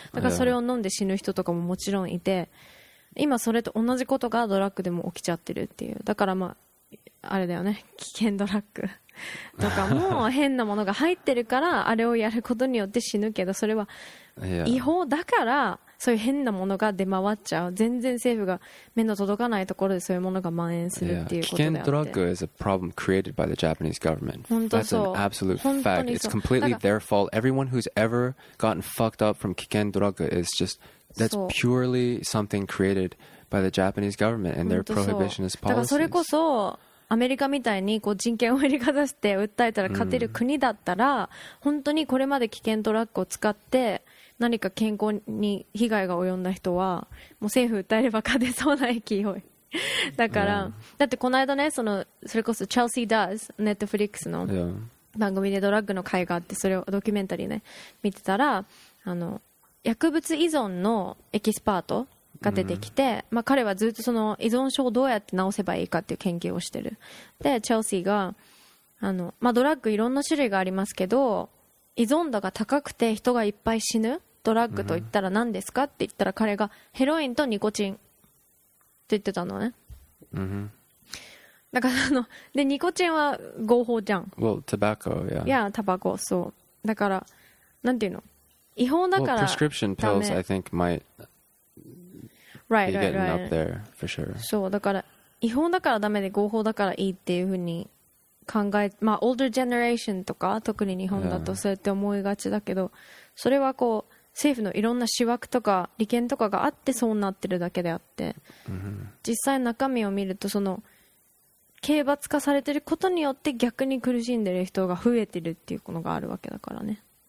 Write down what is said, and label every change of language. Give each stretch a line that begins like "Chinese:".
Japanese: だからそれを飲んで死ぬ人とかももちろんいて今それと同じことがドラッグでも起きちゃってるっていう。だからまああれだよね危険ドラッグとかも変なものが入ってるからあれをやることによって死ぬけどそれは違法だからそういう変なものが出回っちゃう。全然政府が目の届かないところでそういうものが蔓延するっていうことであって。
English: 危険ドラッグ is a problem created by the Japanese government.
Japanese: 本当そう。
English: That's an absolute fact. It's completely their fault. Everyone who's ever gotten fucked up from 危険ドラッグ is just that's purely something created by the Japanese government and their prohibitionist policies.
Japanese: だからそれこそアメリカみたいにこう人権を振りかざして訴えたら勝てる国だったら、mm. 本当にこれまで危険ドラッグを使って何か健康に被害が及んだ人はもう政府訴えれば勝てそうな勢いだから、yeah. だってこの間ね それこそ Chelsea Does Netflix の番組でドラッグの会があってそれをドキュメンタリーね見てたらあの薬物依存のエキスパートが出てきて、mm-hmm. まあ彼はずっとその依存症をどうやって治せばいいかっていう研究をしてる。で Chelsea があの、まあ、ドラッグいろんな種類がありますけど依存度が高くて人がいっぱい死ぬドラッグと言ったら何ですかって言ったら彼がヘロインとニコチンって言ってたのね。うん。だからあのでニコチンは合法じゃん。
English: Well, tobacco, yeah.
Japanese: Yeah, タバコ、そう。だからなんていうの違法だから。
English: Well, prescription pills, I think might be getting up there for sure.
Japanese: そうだから違法だからダメで合法だからいいっていう風に。考えまあ
English: older generation
Japanese: とか特に日本だとそうやって思いがちだけど、yeah. それはこう政府のいろんな思惑とか利権とかがあってそうなってるだけであって、 mm-hmm. 実際中身を見るとその刑罰化されてることによって逆に苦しんでる人が増えてるっていうのがあるわけだからね。